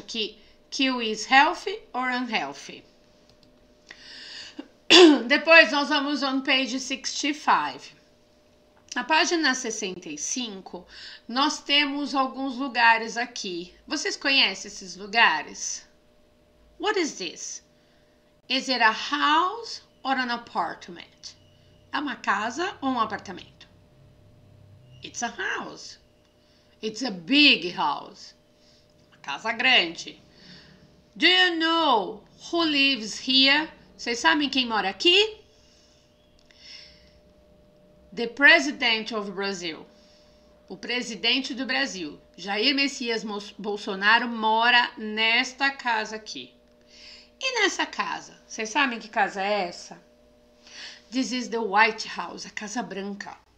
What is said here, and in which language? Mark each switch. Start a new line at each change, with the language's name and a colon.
English: Que kiwi is healthy or unhealthy?
Portuguese: Depois nós vamos
English: on page 65.
Portuguese: Na página 65, nós temos alguns lugares aqui. Vocês conhecem esses lugares?
English: What is this? Is it a house or an apartment?
Portuguese: É uma casa ou um apartamento?
English: It's a house. It's a big house.
Portuguese: Uma casa grande.
English: Do you know who lives here?
Portuguese: Vocês sabem quem mora aqui?
English: The President of Brazil.
Portuguese: O presidente do Brasil, Jair Messias Bolsonaro, mora nesta casa aqui. E nessa casa? Vocês sabem que casa é essa?
English: This is the White House, a Casa Branca.